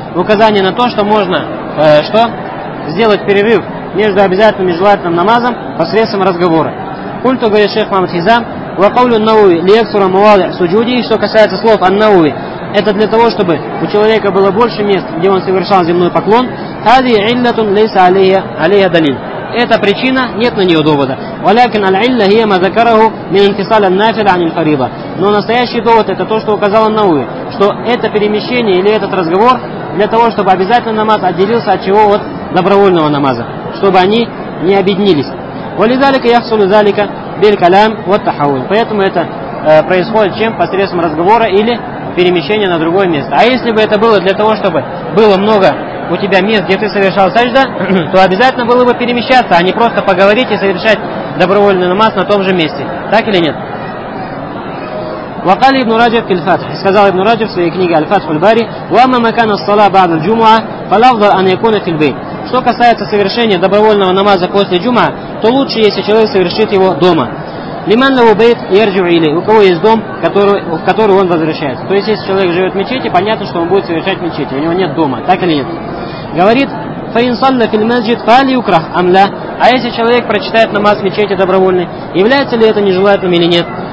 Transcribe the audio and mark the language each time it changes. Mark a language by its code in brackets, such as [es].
[ru] Указание на то, что можно что? Сделать перерыв между обязательным и желательным намазом посредством разговора. Культу, говорит шейх Мамад Хизам, [ar] وقول النووي ليكثر مواضع سجوده, [ru] что касается слов النووي, это для того, чтобы у человека было больше мест, где он совершал земной поклон. [ar] هذه علة ليس عليها دليل. [ru] Это причина, нет на нее довода. [ar] ولكن العلة هي ما ذكره من انفصال النافلة عن الفريضة. [ru] Но настоящий довод это то, что указал النووي, что это перемещение или этот разговор для того, чтобы обязательный намаз отделился от чего? От добровольного намаза, чтобы они не объединились. [ar] ولذلك يحصل ذلك بالكلام والتحول. [ru] Поэтому это происходит чем? Посредством разговора или перемещения на другое место. А если бы это было для того, чтобы было много у тебя мест, где ты совершал саджда, то обязательно было бы перемещаться, а не просто поговорить и совершать добровольный намаз на том же месте. Так или нет? [ar] وقال ابن رجب في الفتح, сказал ابن رجب [ru] в своей книге [ar] الفتح الباري, واما مكان الصلاة بعد الجمعة فالافضل ان يكون في البيت. [ru] Что касается совершения добровольного намаза после джума, то лучше, если человек совершит его дома. [ar] Лиман лаву бейт ярджу [ru] или, у кого есть дом, в который он возвращается. То есть, если человек живет в мечети, понятно, что он будет совершать в мечети, у него нет дома, так или нет. Говорит, [ar] фаин салла фил мазджид фали украх амля. [ru] А если человек прочитает намаз в мечети добровольный, является ли это нежелательным или нет?